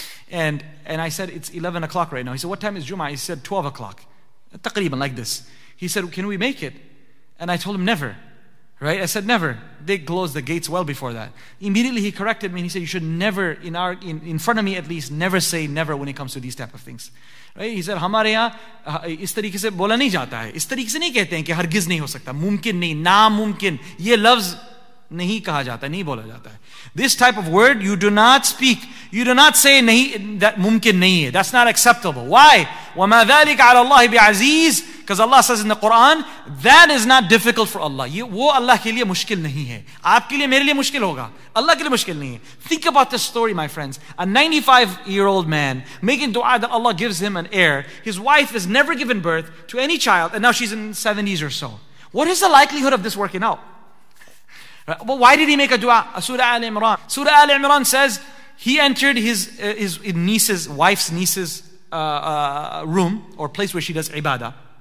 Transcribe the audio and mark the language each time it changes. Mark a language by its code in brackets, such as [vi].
[en] And I said, it's 11 o'clock right now. He said, what time is Jum'ah? He said, 12 o'clock. Taqriban, like this. He said, can we make it? And I told him, never. Right? I said, never. They closed the gates well before that. Immediately he corrected me and he said, you should never, in front of me at least, never say never when it comes to these type of things. Right? He said, [ur] ہمارے یہاں اس طریقے سے بولا نہیں جاتا ہے. اس طریقے سے نہیں کہتے ہیں کہ ہرگز نہیں ہو سکتا. ممکن نہیں, نا ممکن. یہ لفظ نہیں کہا جاتا, نہیں بولا جاتا ہے. [en] This type of word you do not speak. You do not say نہیں, that [ur] ممکن نہیں ہے. [en] That's not acceptable. Why? [ar] وَمَا ذَلِكَ عَلَى اللَّهِ بِعَزِيزِ. [en] Because Allah says in the Quran, that is not difficult for Allah. [ur] یہ وہ اللہ کے لیے مشکل نہیں ہے. آپ کے لیے, میرے لیے مشکل ہوگا. اللہ کے لیے مشکل نہیں ہے. [en] Think about this story, my friends. A 95-year-old man making dua that Allah gives him an heir. His wife has never given birth to any child, and now she's in 70s or so. What is the likelihood of this working out? Right. But why did he make a dua? Surah Al-Imran. Surah Al-Imran says he entered his wife's niece's room or place where she does ibadah.